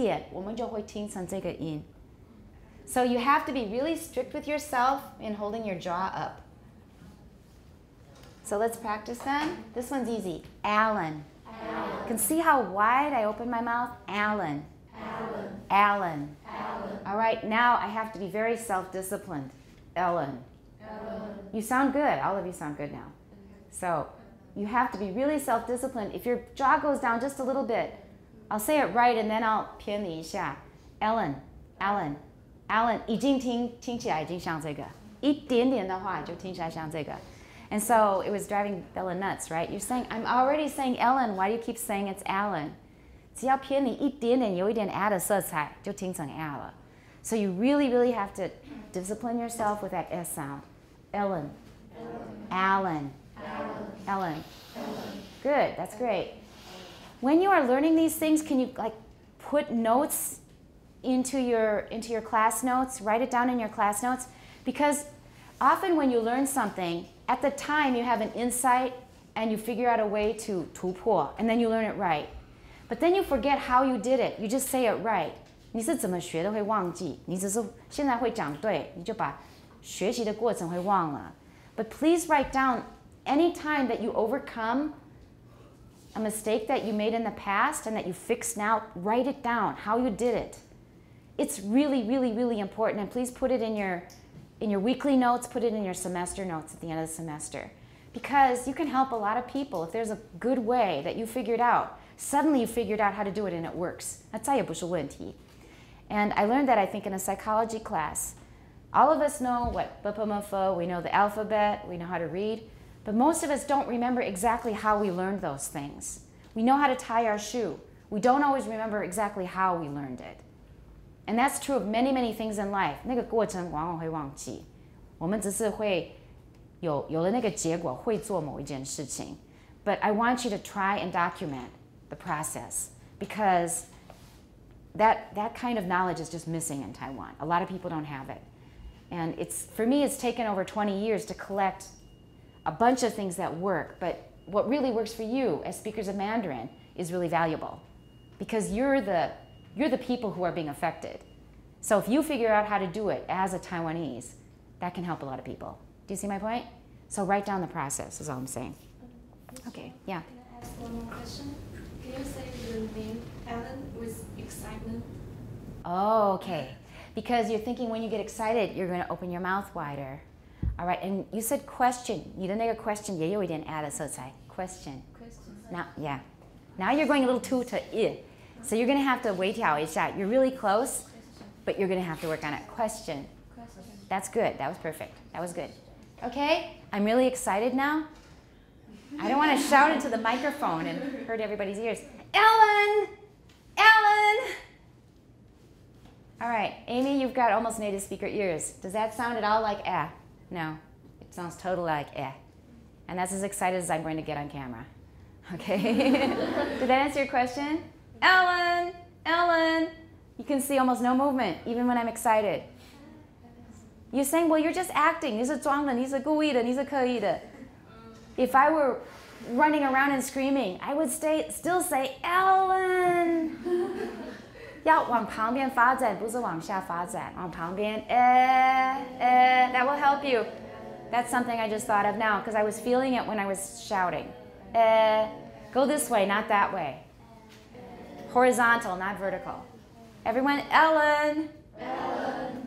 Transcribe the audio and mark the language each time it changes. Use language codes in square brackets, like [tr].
[zh] 你只要是偏离这个一点点，我们就会听成这个音. [en] So you have to be really strict with yourself in holding your jaw up. So let's practice then. This one's easy. Alan. Alan. Can see how wide I open my mouth? Alan. Alan. Alan. Alan. All right, now I have to be very self-disciplined. Ellen. Ellen. You sound good. All of you sound good now. So you have to be really self-disciplined. If your jaw goes down just a little bit, I'll say it right and then I'll [zh] 偏你一下. [en] Ellen. Alan. Alan. [zh] 已经听起来已经像这个。一点点的话就听起来像这个。 [en] And so it was driving Bella nuts, right? You're saying, I'm already saying Ellen. Why do you keep saying it's Alan? [zh] 只要偏离一点点，有一点 add 的色彩，就听成 l 了。 [en] So you really, really have to discipline yourself with that s sound. Ellen. Ellen. Ellen. Ellen. Ellen. Good. That's great. When you are learning these things, can you like put notes into your class notes? Write it down in your class notes, because often when you learn something, at the time you have an insight and you figure out a way to 突破 and then you learn it right. But then you forget how you did it. You just say it right. [zh] 你是怎么学都会忘记，你只是现在会讲对，你就把学习的过程会忘了。 [en] But please write down any time that you overcome a mistake that you made in the past and that you fixed now, write it down, how you did it. It's really, really, really important, and please put it in your weekly notes, put it in your semester notes at the end of the semester. Because you can help a lot of people if there's a good way that you figured out. Suddenly you figured out how to do it and it works. [zh] 那再也不是问题。 [en] And I learned that, I think, in a psychology class. All of us know what BPMFO, we know the alphabet, we know how to read, but most of us don't remember exactly how we learned those things. We know how to tie our shoe. We don't always remember exactly how we learned it. And that's true of many, many things in life. [zh] 那个过程往往会忘记。我们只是会有了那个结果会做某一件事情。 [en] But I want you to try and document the process, because That kind of knowledge is just missing in Taiwan. A lot of people don't have it. And it's, for me, it's taken over 20 years to collect a bunch of things that work. But what really works for you as speakers of Mandarin is really valuable, because you're the people who are being affected. So if you figure out how to do it as a Taiwanese, that can help a lot of people. Do you see my point? So write down the process is all I'm saying. Okay, yeah. Can I ask one more question? Can you say your name, Ellen, with excitement? Oh, okay. Because you're thinking when you get excited, you're going to open your mouth wider. All right, and you said question. [zh] 你的那个 question 也有一点 add 的色彩 Question. [en] Question. Now, yeah. Now you're going a little too to I. So you're going to have to [zh] 微调一下. [en] You're really close, but you're going to have to work on it. Question. Question. That's good. That was perfect. That was good. Okay, I'm really excited now. I don't want to shout into the microphone and hurt everybody's ears. Ellen! Ellen! All right, Amy, you've got almost native speaker ears. Does that sound at all like eh? No, it sounds totally like eh. And that's as excited as I'm going to get on camera. Okay? Did that answer your question? Ellen! Ellen! You can see almost no movement, even when I'm excited. You're saying, well, you're just acting. [zh] 你是装的，你是故意的，你是刻意的。 [en] If I were running around and screaming, I would still say, Ellen! [zh] 要往旁边发展，不是往下发展。往旁边， [en] that will help you. That's something I just thought of now, because I was feeling it when I was shouting. Go this way, not that way. Horizontal, not vertical. Everyone, Ellen! Ellen!